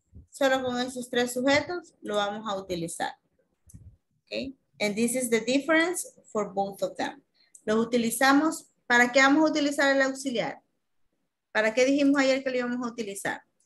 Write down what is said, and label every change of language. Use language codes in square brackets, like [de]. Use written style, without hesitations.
[es] Solo con esos tres sujetos lo vamos a utilizar. Okay? [en] And this is the difference for both of them. [es] Lo utilizamos, ¿para qué vamos a utilizar el auxiliar? ¿Para qué dijimos ayer que lo íbamos a utilizar?